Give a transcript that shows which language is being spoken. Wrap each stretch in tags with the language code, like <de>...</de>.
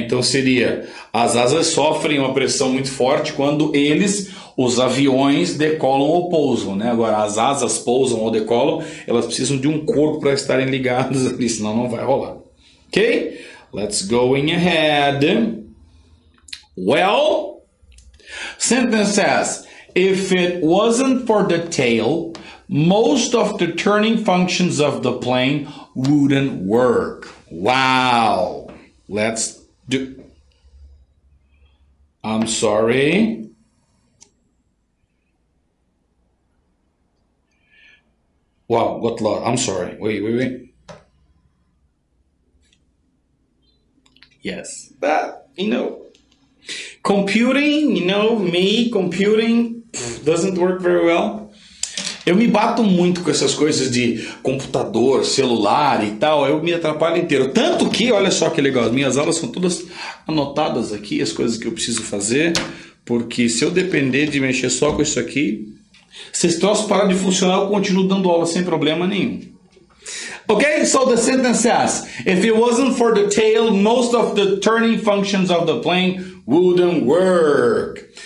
<pt>Então seria, as asas sofrem uma pressão muito forte quando eles, os aviões, decolam ou pousam. Né? Agora, as asas pousam ou decolam, elas precisam de um corpo para estarem ligadas ali, senão não vai rolar.</pt> <en>Ok? Let's go ahead. Well, sentence says, if it wasn't for the tail, most of the turning functions of the plane wouldn't work. Wow. Let's do... I'm sorry. Wow, got lost. I'm sorry. Wait. Yes. But, you know, computing, you know, me, computing doesn't work very well.</en> <pt>Eu me bato muito com essas coisas de computador, celular e tal. Eu me atrapalho inteiro. Tanto que, olha só que legal, as minhas aulas são todas anotadas aqui, as coisas que eu preciso fazer. Porque se eu depender de mexer só com isso aqui, se esse troço parar de funcionar, eu continuo dando aula sem problema nenhum. Ok?</pt> <en>So the sentence says, if it wasn't for the tail, most of the turning functions of the plane wouldn't work.</en>